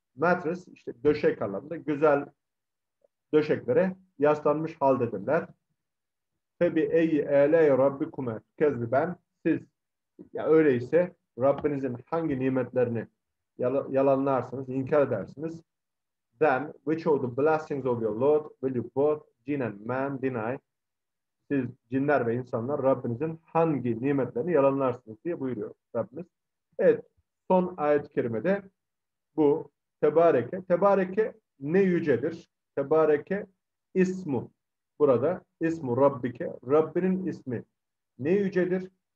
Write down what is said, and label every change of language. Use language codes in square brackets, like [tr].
[tr] Mattress işte döşek anlamında, güzel döşeklere yaslanmış haldedirler. [ar] Tabi ey eley rabbikume kezriben, [tr] siz ya öyleyse Rabbinizin hangi nimetlerini yalanlarsınız, inkar edersiniz? [en] Then which of the blessings of your Lord will you both jinn and man deny? [tr] Siz cinler ve insanlar Rabbinizin hangi nimetlerini yalanlarsınız diye buyuruyor Rabbimiz. Evet, son ayet-i kerimede bu tebareke. Tebareke ne yücedir? Tebareke ismu. Burada ismu rabbike. Rabbinin ismi ne yücedir?